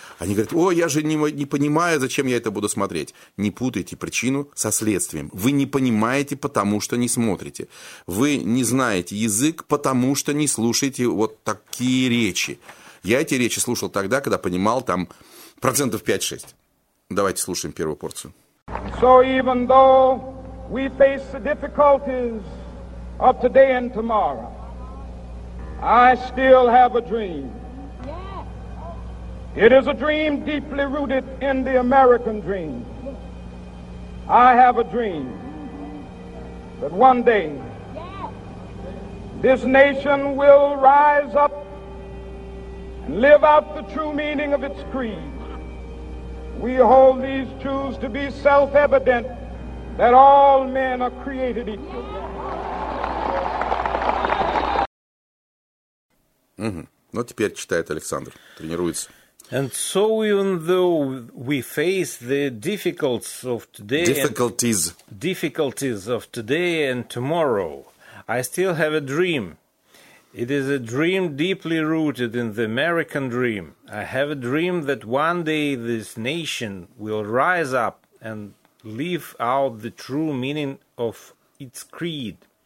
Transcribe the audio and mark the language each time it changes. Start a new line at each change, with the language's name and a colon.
Russian: Они говорят, о, я же не понимаю, зачем я это буду смотреть. Не путайте причину со следствием. Вы не понимаете, потому что не смотрите. Вы не знаете язык, потому что не слушаете вот такие речи. Я эти речи слушал тогда, когда понимал там процентов 5-6. Давайте слушаем первую порцию.
English: So even though we face the difficulties of today and tomorrow, I still have a dream. It is a dream deeply rooted in the American dream. I have a dream that one day this nation will rise up and live out the true meaning of its creed. We hold these truths to be self-evident that all men are created equal.
Russian: Угу. Ну, теперь читает Александр, тренируется.
English: And so even though we face the difficulties of today... Difficulties. Difficulties of today and tomorrow, I still have a dream. It is a dream deeply rooted in the American dream. I have a dream that one day this nation will rise up and live out the true meaning of its creed.